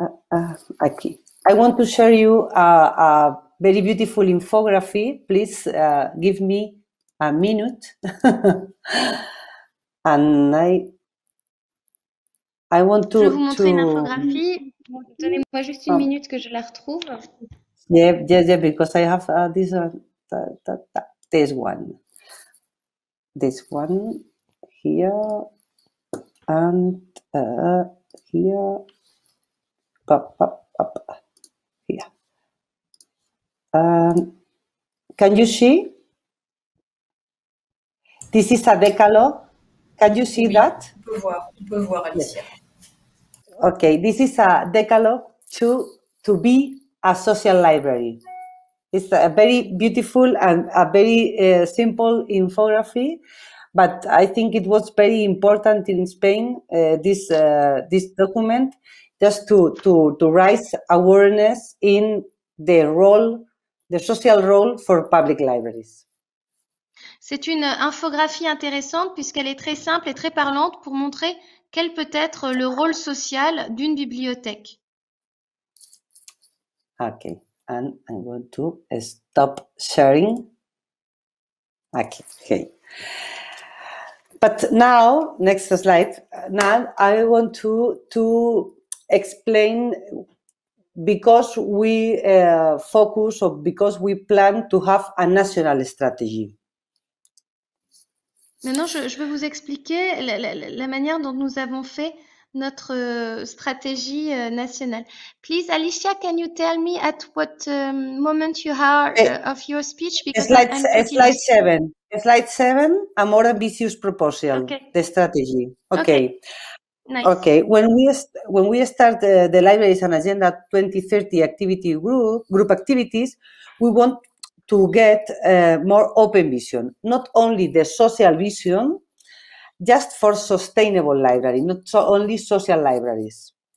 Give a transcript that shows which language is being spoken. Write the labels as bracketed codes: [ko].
[en] I want to share you a very beautiful infography. Please give me a minute, and I want to. [fr] Je vais vous montrer une infographie. Donnez-moi juste une minute que je la retrouve. [en] Yeah, because I have this this one. This one here and here. Up. Here. Can you see? This is a decalogue. Can you see [fr] oui, [en] that? [fr] On peut voir, Alicia. [en] Yes. Okay, this is a decalogue to be a social library. It's a very beautiful and a very simple infography, but I think it was very important in Spain, this document, just to raise awareness in the role, the social role for public libraries. [fr] C'est une infographie intéressante puisqu'elle est très simple et très parlante pour montrer quel peut être le rôle social d'une bibliothèque. [en] OK. And I'm going to stop sharing. OK. But now, next slide. Now I want to explain because we focus or because we plan to have a national strategy. [fr] Maintenant, je vais vous expliquer la manière dont nous avons fait notre stratégie nationale. [en] Please, Alicia, can you tell me at what moment you are of your speech? Slide seven, a more ambitious proposal, okay. The strategy. Okay. Nice. Okay. When we start the Libraries and Agenda 2030 activity group activities, we want to get a more open vision, not only the social vision, just for sustainable library, not so only social libraries.